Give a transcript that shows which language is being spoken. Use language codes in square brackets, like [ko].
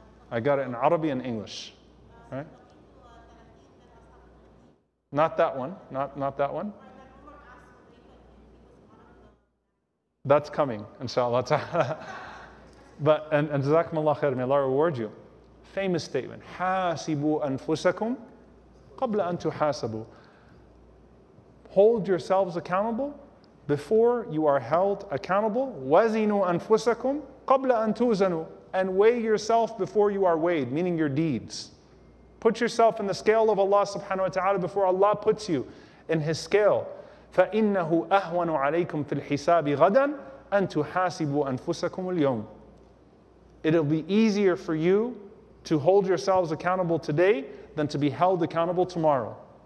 [en] I got it in Arabic and English, right? Not that one. That's coming, inshallah ta'ala. But, and jazakumullah khair, may Allah reward you. Famous statement, [ar] حاسبوا أنفسكم قبل أن تحاسبوا. [en] Hold yourselves accountable before you are held accountable. [ar] وزنوا أنفسكم قبل أن توزنوا. [en] And weigh yourself before you are weighed, meaning your deeds. Put yourself in the scale of Allah subhanahu wa ta'ala before Allah puts you in His scale. [ar] فَإِنَّهُ أَهْوَنُ عَلَيْكُمْ فِي الْحِسَابِ غَدًا أَن تُحَاسِبُوا أَنفُسَكُمُ الْيَوْمِ. [en] It'll be easier for you to hold yourselves accountable today than to be held accountable tomorrow.